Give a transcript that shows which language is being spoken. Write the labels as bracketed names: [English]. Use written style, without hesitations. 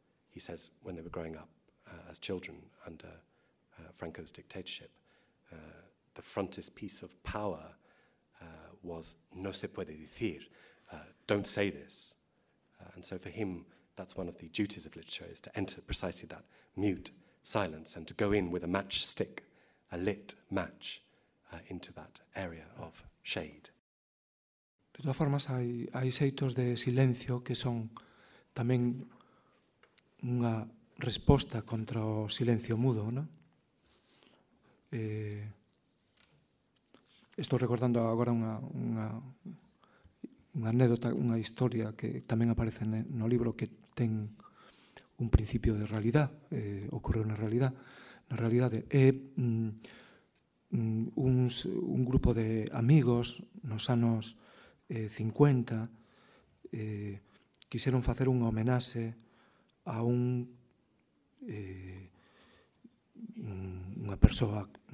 [English] He says when they were growing up as children under Franco's dictatorship, the frontispiece of power was [Spanish] No se puede decir, [English] don't say this. And so for him, that's one of the duties of literature, is to enter precisely that mute silence and to go in with a matchstick, a lit match, into that area of shade. [Spanish] De todas formas, hay seitos de silencio que son también una [Galician] resposta contra o silencio mudo, [Spanish] ¿no? [Galician] Estou recordando agora unha anécdota, unha historia que tamén aparece no libro que ten un principio de realidade, ocorreu na realidade, un grupo de amigos nos anos 50 quixeron facer unha homenaxe a unha persoa,